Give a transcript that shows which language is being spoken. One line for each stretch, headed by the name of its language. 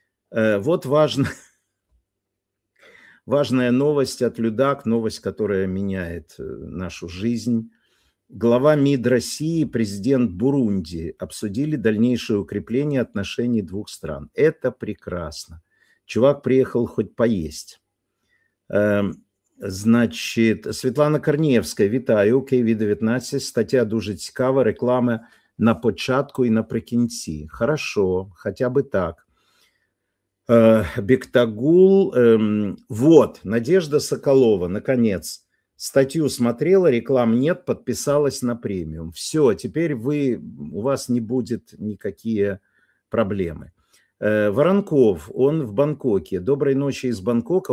Russian: Вот важная новость от Людак, новость, которая меняет нашу жизнь. Глава МИД России, президент Бурунди обсудили дальнейшее укрепление отношений двух стран. Это прекрасно. Чувак приехал хоть поесть.
Ukrainian: Значит, Світлана Корнієвська, вітаю, KV19, стаття дуже цікава, реклама на початку і наприкінці.
Russian: Хорошо, хоча б так. Бектагул, вот, Надежда Соколова, наконец, Статью смотрела, реклам нет, подписалась на премиум. Все, теперь вы, у вас не будет никакие проблемы. Воронков, он в Бангкоке. Доброй ночи из Бангкока.